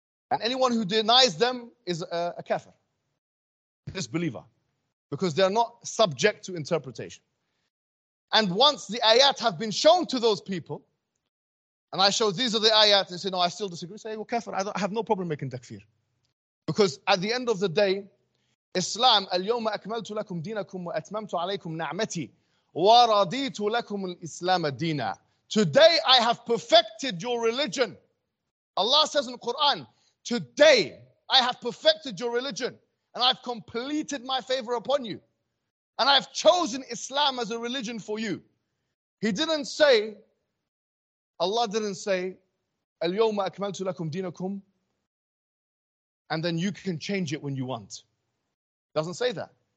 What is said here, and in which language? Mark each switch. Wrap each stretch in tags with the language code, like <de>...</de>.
<en>And anyone who denies them is a kafir, a disbeliever, because they're not subject to interpretation. And once the ayat have been shown to those people, and I show these are the ayat, they say, no, I still disagree. Say, well, kafir, I have no problem making takfir. Because at the end of the day, Islam,</en> <ar>اليوم أكملت لكم دينكم وأتممت عليكم نعمتي ورديت لكم الإسلام دينا.</ar> <en>Today I have perfected your religion. Allah says in the Quran, today I have perfected your religion and I've completed my favor upon you. And I've chosen Islam as a religion for you. He didn't say, Allah didn't say,</en> <ar>اليوم أكملت لكم دينكم</ar> <en>and then you can change it when you want. Doesn't say that.</en>